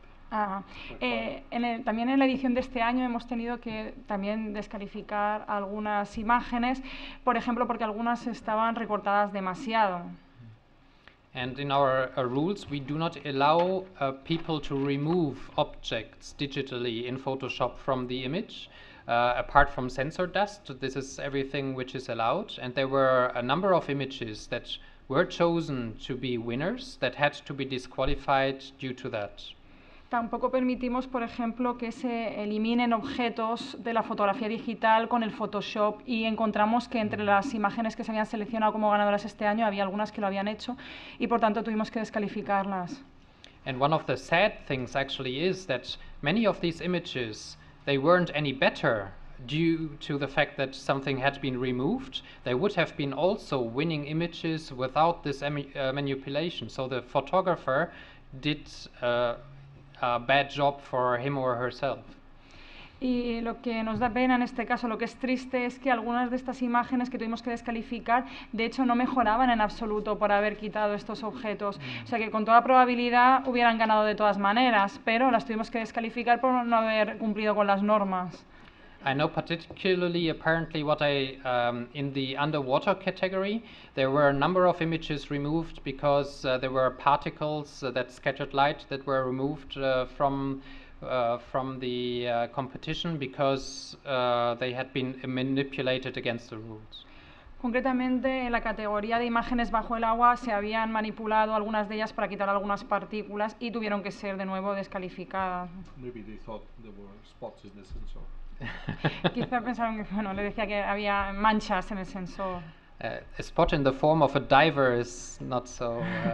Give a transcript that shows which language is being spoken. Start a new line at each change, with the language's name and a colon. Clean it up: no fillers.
Spanish: También en la edición de este año hemos tenido que también descalificar algunas imágenes, por ejemplo, porque algunas estaban recortadas demasiado.
English: And in our rules, we do not allow people to remove objects digitally in Photoshop from the image, apart from sensor dust. This is everything which is allowed. And there were a number of images that were chosen to be winners that had to be disqualified due to that.
Spanish: Tampoco permitimos, por ejemplo, que se eliminen objetos de la fotografía digital con el Photoshop, y encontramos que entre las imágenes que se habían seleccionado como ganadoras este año había algunas que lo habían hecho y por tanto tuvimos que descalificarlas.
English: And one of the sad things actually is that many of these images, they weren't any better due to the fact that something had been removed. They would have been also winning images without this manipulation. So the photographer did a bad job for him or herself.
Spanish: Y lo que nos da pena en este caso, lo que es triste, es que algunas de estas imágenes que tuvimos que descalificar, de hecho, no mejoraban en absoluto por haber quitado estos objetos. O sea que con toda probabilidad hubieran ganado de todas maneras, pero las tuvimos que descalificar por no haber cumplido con las normas.
English: I know particularly, apparently, what I in the underwater category, there were a number of images removed because there were particles that scattered light that were removed from the competition because they had been manipulated against the rules.
Spanish: Concretamente, en la categoría de imágenes bajo el agua, se habían manipulado algunas de ellas para quitar algunas partículas y tuvieron que ser de nuevo descalificadas.
English: Maybe they thought there were spots in the sensor.
Spanish: Quizá pensaron que, bueno, le decía que había manchas en el sensor.
English: A spot in the form of a diver is not so...